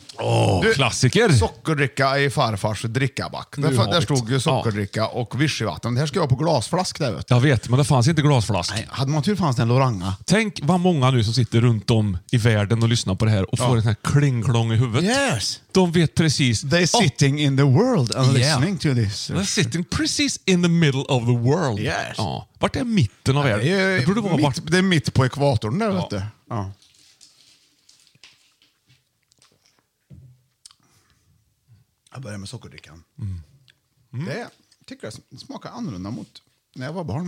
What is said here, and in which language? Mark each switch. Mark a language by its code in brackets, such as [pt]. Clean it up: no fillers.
[sv] Åh, du, klassiker. Sockerdricka i farfars drickaback. Där stod ju sockerdricka och vichyvatten. Det här ska jag på glasflask där, vet du. Jag vet, men det fanns inte glasflask. Nej, hade man tur fanns det en Loranga. Tänk vad många nu som sitter runt om i världen och lyssnar på det här och får en här klingklång i huvudet. [en] Yes. [sv] De vet precis. [en] They're sitting in the world and listening to this. They're sitting [sv] precis [en] in the middle of the world. Yes. [sv] Ja. Vart är mitten av världen? Det är mitt på ekvatorn där, vet du. Ja. Jag börjar med sockerdrickan. Mm. Mm. Det tycker jag smakar annorlunda mot när jag var barn.